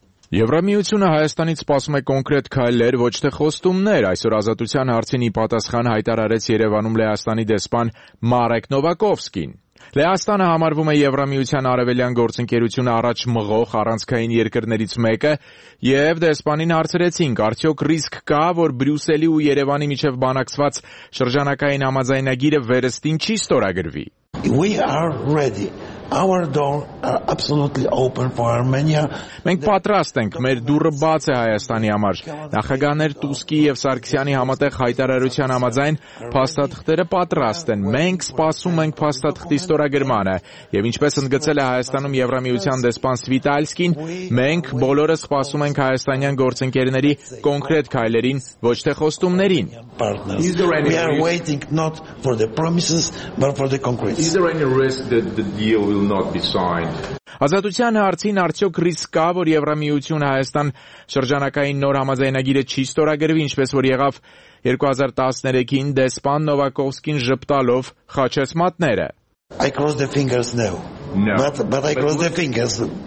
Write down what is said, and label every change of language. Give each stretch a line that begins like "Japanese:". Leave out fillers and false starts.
Armenian: Եվրամիությունը Հայաստանից սպասում է կոնկրետ քայլեր, ոչ թե խոստումներ, այսօր ազատության հարցին ի պատասխան հայտարարեց Երևանում Լեհաստանի դեսպան Մարեկ Նովակովսկին։ Լեհաստանը համարվում է Եվրամիության արևելյան գործընկերությունը առաջ մղող առանցքային երկրներից մեկը, և դեսպանին հարցրեցինք, արդյոք ռիսկ կա, որ Բրյուսելի ու Երևանի միջև բանակցված շրջանակային համաձայնագիրը վերստին չի ստորագրվի։
English: We are ready. Our door are absolutely open for Armenia.
Armenian: Մենք պատրաստ ենք, մեր դուրը բաց է Հայաստանի համար։ Նախագահներ Տուսկի եւ Սարգսյանի համատեղ հայտարարության համաձայն փաստաթղթերը պատրաստ են։ Մենք սպասում ենք փաստաթղթի ստորագրմանը եւ ինչպես ընդգծել է Հայաստանում Եվրամիության դեսպան Սվիտալսկին, մենք բոլորը սպասում ենք հայաստանյան գործընկերների կոնկրետ քայլերին, ոչ թե խոստումներին։
English: We are waiting not for the promises but for the concrete. Is there any risk that the deal will not be signed?
Armenian: Ազատության հարցին արդյոք ռիսկ կա, որ Եվրամիությունը Հայաստան շրջանակային նոր համաձայնագիրը չի ստորագրվի, ինչպես որ եղավ 2013-ին դեսպան Նովակովսկին ժպտալով խաչեց մատները։
English: I cross the fingers now. No. But I cross the fingers.